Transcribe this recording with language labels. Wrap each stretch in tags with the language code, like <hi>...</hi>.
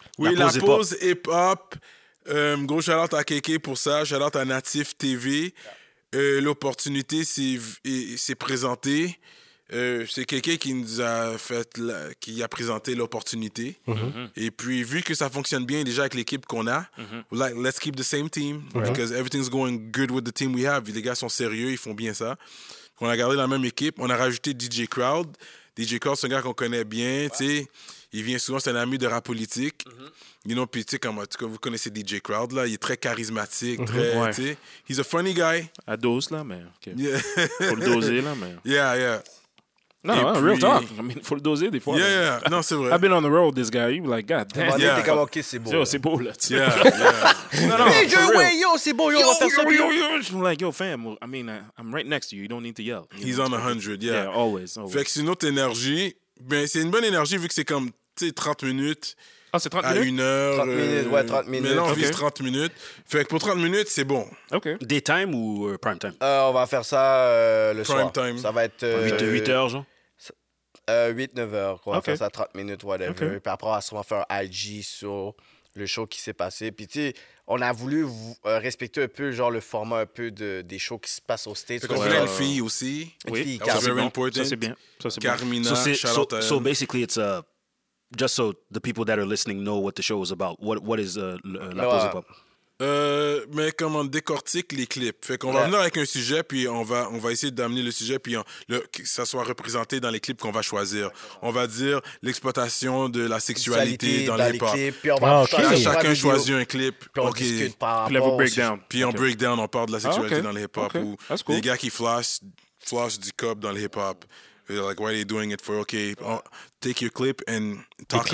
<fr>Oui, La Pause, pause hip-hop. Gros shout out à Keke pour ça. Shout out à Natif TV. Yeah. L'opportunité s'est présentée. C'est Keke qui nous a fait, qui a présenté l'opportunité. Mm-hmm. Et puis, vu que ça fonctionne bien déjà avec l'équipe qu'on a, mm-hmm.</fr> <en>Like, let's keep the same team, mm-hmm. because everything's going good with the team we have.</en> <fr>Les gars sont sérieux, ils font bien ça. On a gardé la même équipe, on a rajouté DJ Crowd. DJ Crowd, c'est un gars qu'on connaît bien, wow. Tu sais. Il vient souvent, c'est un ami de rap politique. Mm-hmm.</fr> <en>You know,</en> <fr>puis tu sais, en tout cas, vous connaissez DJ Crowd, là. Il est très charismatique, très, mm-hmm. Ouais. Tu sais.</fr> <en>He's a funny guy.</en> <fr>À dose, là, mais... Okay.</fr> <en>Yeah.</en> <fr>Pour le doser, là, mais...</fr> <en>Yeah, yeah.</en> <fr>Non, non puis...</fr> <en>real talk. I mean,</en> <fr>faut le doser des fois. Yeah, yeah. Non, c'est vrai.</fr> <en>I've been on the road, this guy. You're like, God damn.</en> <fr>Yeah. T'es comme, OK, c'est beau. Yo, c'est beau, là.</fr> <en>Yeah, yeah.</en> <fr>Non, non, DJ Way, yo, c'est beau. Yo,</fr> <en>yo, yo, yo, yo, yo. I'm like, yo, fam, I mean, I'm right next to you. You don't need to yell. He's know, on 100, yeah. Yeah, always, always.</en> <fr>Fait que c'est une autre énergie. Ben, c'est une bonne énergie vu que c'est comme, tu sais, 30 minutes. Ah, c'est 30 à minutes? À une heure. 30 minutes, ouais, 30 minutes. Mais là, on okay. Vise 30 minutes. Fait que pour 30 minutes, c'est bon. OK.</fr> <en>Daytime ou prime time?</en> <fr>On va faire ça le</fr> <en>prime</en> <fr>soir.</fr> <en>Prime time.</en> <fr>Ça va être... 8 heures, genre? 8, 9 heures. Quoi. Okay. On va faire ça 30 minutes, whatever. Okay. Puis après, on va sûrement faire un IG sur le show qui s'est passé. Puis tu sais, on a voulu respecter un peu genre le format un peu des shows qui se passent au States. Parce qu'on voulait une fille aussi. Oui. Une fille, Carmina. Ça, c'est important. Bon. Ça, c'est bien. Ça, c'est Carmina, bon. Charlotte.</fr> <en>So basically, it's a... Just so the people that are listening know what the show is about. What is La Pause Hip Hop?</en> <fr>Mais comme on décortique les clips. Fait qu'on va venir avec un sujet, puis on va essayer d'amener le sujet, puis que ça soit représenté dans les clips qu'on va choisir. On va dire l'exploitation de la sexualité dans les clips. Puis on va chacun choisir un clip. Puis on discute par rapport. Breakdown. Puis on breakdown, on parle de la sexualité dans les hip hop. Ou cool. Les gars qui flash du cop dans les hip hop.</fr> <en>Like, why are you doing it for? Okay, take your clip and talk about it.</en>